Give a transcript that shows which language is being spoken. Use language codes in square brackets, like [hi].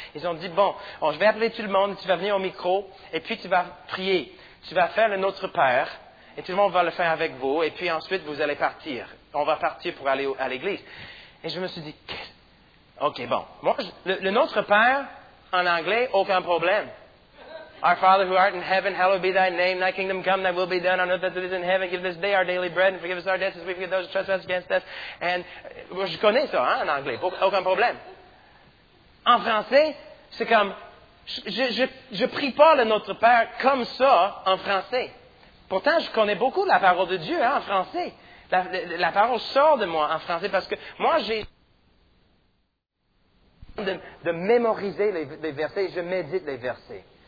[fr] Ils ont dit, « Bon, je vais appeler tout le monde, tu vas venir au micro, et puis tu vas prier. Tu vas faire le Notre Père, et tout le monde va le faire avec vous, et puis ensuite, vous allez partir. On va partir pour aller à l'église. » Et je me suis dit, OK, bon. Moi, le Notre Père, en anglais, aucun problème. [en] Our Father who art in heaven, hallowed be thy name, thy kingdom come, thy will be done on earth as it is in heaven. Give this day our daily bread and forgive us our debts as we forgive those who trespass against us. [fr] And, moi, je connais ça, hein, en anglais. Aucun problème. En français, c'est comme, je prie pas le Notre Père comme ça en français. Pourtant, je connais beaucoup la parole de Dieu, hein, en français. La parole sort de moi en français parce que moi, j'ai de mémoriser les versets, je médite les versets.